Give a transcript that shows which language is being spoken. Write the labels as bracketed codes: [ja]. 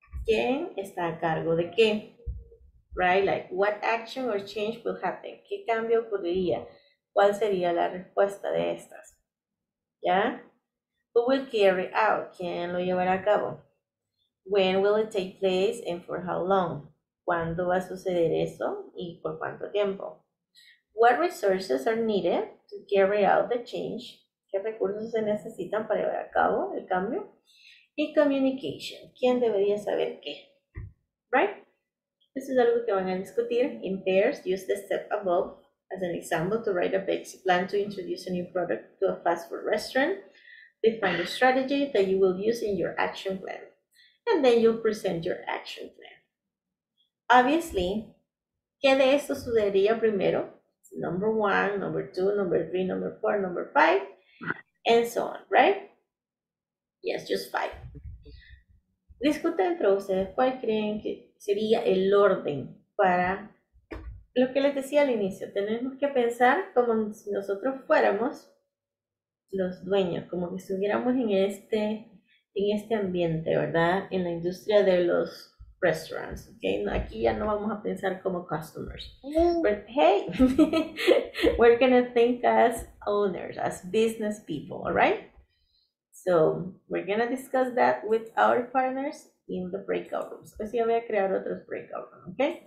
[es] ¿Quién está a cargo de qué? Right? [en] Like, what action or change will happen? [es] ¿Qué cambio ocurriría? ¿Cuál sería la respuesta de estas? ¿Ya? [en] Who will carry out? [es] ¿Quién lo llevará a cabo? [en] When will it take place and for how long? [es] ¿Cuándo va a suceder eso y por cuánto tiempo? [en] What resources are needed to carry out the change? [es] ¿Qué recursos se necesitan para llevar a cabo el cambio? Y communication. ¿Quién debería saber qué? Right? Eso es algo que van a discutir. [en] In pairs, use the step above as an example to write a basic plan to introduce a new product to a fast food restaurant. Define the strategy that you will use in your action plan. And then you'll present your action plan. Obviously, [es] ¿qué de esto sucedería primero? [en] Number one, number two, number three, number four, number five, and so on, right? Yes, just five. [es] Discuten entre ustedes cuál creen que sería el orden para lo que les decía al inicio. Tenemos que pensar como si nosotros fuéramos los dueños, como que estuviéramos en este ambiente, ¿verdad? En la industria de los restaurants, okay? Aquí ya no vamos a pensar como customers. [en] But hey, we're gonna think as owners, as business people, all right? So we're gonna discuss that with our partners in the breakout rooms. [es] Pues ya voy a crear otros breakout rooms, okay?